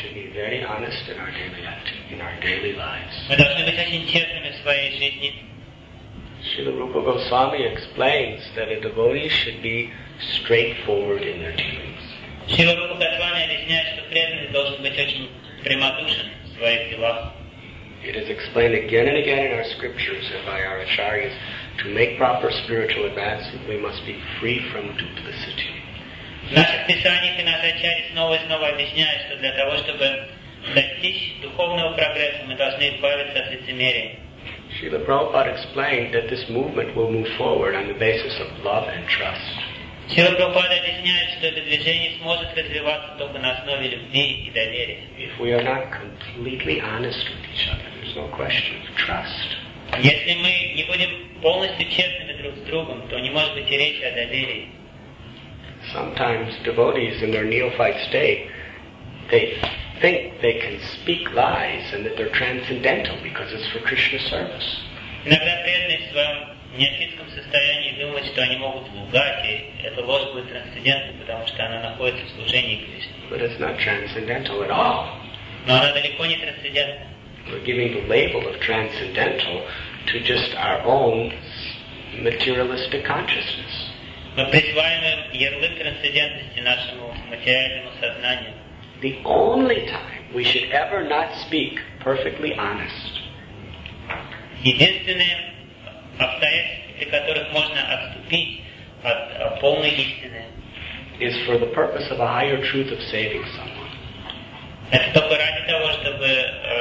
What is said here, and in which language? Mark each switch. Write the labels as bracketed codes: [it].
[en] We should be very honest in our daily lives. [ru] Мы должны быть очень честными в своей жизни. [en] Srila Rupa Goswami explains that a devotee should be straightforward in their dealings. [ru] Srila Rupa Goswami объясняет, что преданный должен быть очень прямодушен в своих делах. [en] It is explained again and again in our scriptures and by our acharyas, to make proper spiritual advancement, we must be free from duplicity. [ru] В наших писаниях и наши ачарьи снова и снова объясняют, что для того, чтобы достичь духовного прогресса, мы должны избавиться от лицемерия. [en] Srila Prabhupada explained that this movement will move forward on the basis of love and trust. [ru] Srila Prabhupada объясняет, что это движение сможет развиваться только на основе любви и доверия. [en] If we are not completely honest with each other, there's no question of trust. [ru] Если мы не будем полностью честными друг с другом, то не может быть и речи о доверии. [en] Sometimes devotees in their neophyte state, they think they can speak lies and that they're transcendental because it's for Krishna service. [ru] Иногда преданные в своем неофитском состоянии думают, что они могут лгать, и эта ложь будет трансцендентной, потому что она находится в служении Кришне. [en] But it's not transcendental at all. [ru] Но она далеко не трансцендентна. [en] We're giving the label of transcendental to just our own materialistic consciousness. [ru] Мы присваиваем ярлык трансцендентности нашему материальному сознанию. [en] The only time we should ever not speak perfectly honest. [ru] Единственное обстоятельство, при которых можно отступить от полной истины, [en] is for the purpose of a higher truth of saving someone. [ru] Это только ради того, чтобы